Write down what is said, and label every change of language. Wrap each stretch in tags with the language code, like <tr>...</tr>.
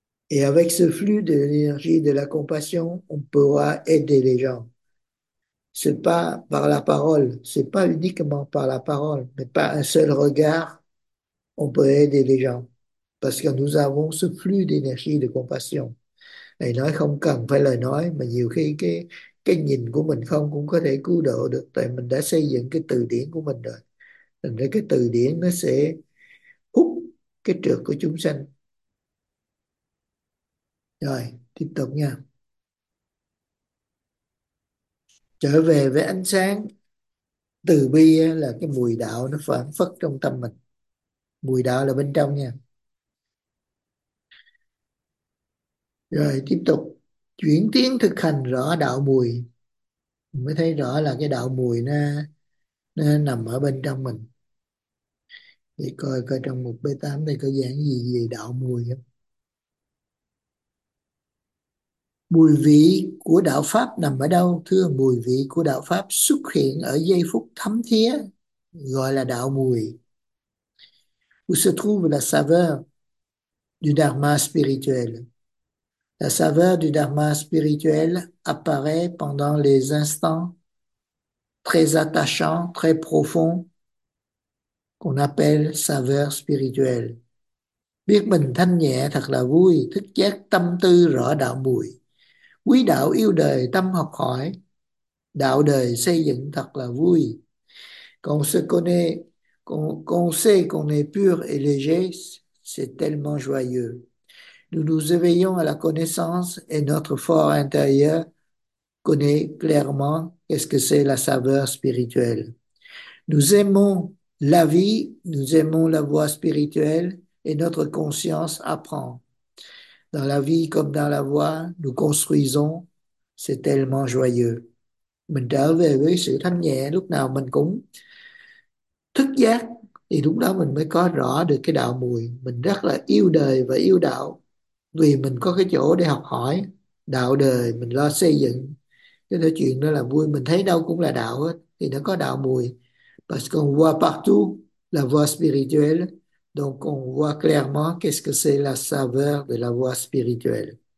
<fr>Et avec ce flux de l'énergie de la compassion, on pourra aider les gens. Ce n'est pas par la parole, ce n'est pas uniquement par la parole, mais par un seul regard, on peut aider les gens. Parce que nous avons ce flux d'énergie de compassion.</fr> <vi>Et nói không cần phải lời nói, mà nhiều khi cái nhìn của mình không cũng có thể cứu độ được, tại mình đã xây dựng cái từ điển của mình rồi. Thành ra cái từ điển nó sẽ hút cái trược của chúng sanh. Rồi, tiếp tục nha. Trở về với ánh sáng từ bi là cái mùi đạo nó phảng phất trong tâm mình. Mùi đạo là bên trong nha. Rồi tiếp tục chuyển tiến thực hành rõ đạo mùi, mình mới thấy rõ là cái đạo mùi nó nằm ở bên trong mình. Thì coi coi trong mục B8 đây có giảng gì về đạo mùi không? Mùi vị của đạo pháp nằm ở đâu? Thưa, mùi vị của đạo pháp xuất hiện ở giây phút thấm thía gọi là đạo mùi.</vi> <fr>Où se trouve la saveur du dharma spirituel? La saveur du dharma spirituel apparaît pendant les instants très attachants, très profonds, qu'on appelle saveur spirituelle.</fr> <vi>Biết mình thanh nhẹ thật là vui, thức giác tâm tư rõ đạo mùi. Quý đạo yêu đời tâm học hỏi, đạo đời xây dựng thật là vui.</vi> <fr>Quand on sait qu'on est pur et léger, c'est tellement joyeux. Nous nous éveillons à la connaissance et notre fort intérieur connaît clairement qu'est-ce que c'est la saveur spirituelle. Nous aimons la vie, nous aimons la voie spirituelle et notre conscience apprend. Dans la vie comme dans la voie, nous construisons, c'est tellement joyeux.</fr> <vi>Mình trở về với sự thanh nhẹ, lúc nào mình cũng thức giác, thì lúc đó mình mới có rõ được cái đạo mùi. Mình rất là yêu đời và yêu đạo, vì mình có cái chỗ để học hỏi đạo đời, mình lo xây dựng. Cái nói chuyện đó là vui, mình thấy đâu cũng là đạo hết, thì nó có đạo mùi.</vi> <fr>Parce qu'on voit partout la voie spirituelle, donc on voit clairement qu'est-ce que c'est la saveur de la voie spirituelle.</fr>